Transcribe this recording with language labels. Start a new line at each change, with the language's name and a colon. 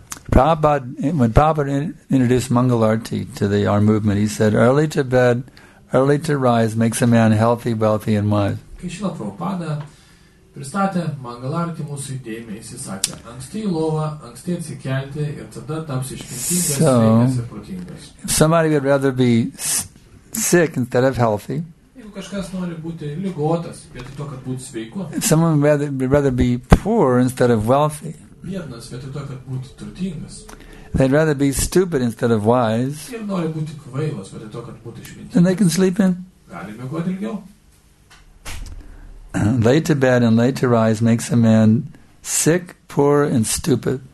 English: Prabhupada, when Prabhupada introduced Mangalarti to the our movement, he said, early to bed, early to rise makes a man healthy, wealthy, and wise.
Lithuanian: Kai Šrila Prabhupada pristatė Mangalarti mūsų idėjimą, jis įsakė, anksti į lovą, anksti atsikelti, ir tada taps išmintingas, sveikas ir protingas.
English: If somebody would rather be sick instead of healthy,
Lithuanian: jeigu kažkas nori būti ligotas, vietoj to, kad būtų sveiku,
English: if someone would rather be poor instead of wealthy, they'd rather be stupid instead of wise, and they can sleep in. Late to bed and late to rise makes a man sick, poor, and stupid.